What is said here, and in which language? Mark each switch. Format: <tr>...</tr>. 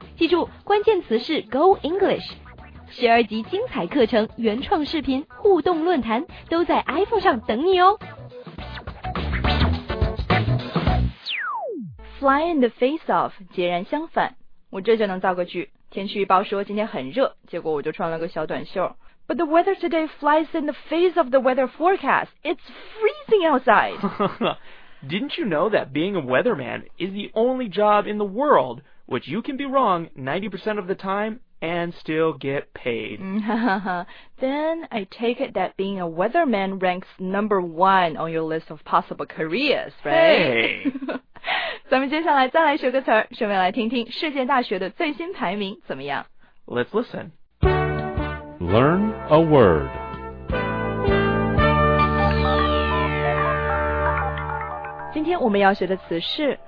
<zh>记住，关键词是 Go English。十二级精彩课程、原创视频、互动论坛都在 iPhone 上等你哦。 Fly in the face of， 截然相反。我这就能造个句。天气预报说今天很热，结果我就穿了个小短袖。</zh> <en>But the weather today flies in the face of the weather forecast. It's freezing outside. Didn't you know that being a weatherman is the only job in the world which you can be wrong 90% of the time and still get paid? Then I take it that being a weatherman ranks number one on your list of possible careers, right? Hey!</en> <zh>咱们接下来再来学个词儿，顺便来听听世界大学的最新排名怎么样。</zh> <en>Let's listen. Learn a word. Today,</en> <zh>我们要学的词是</zh>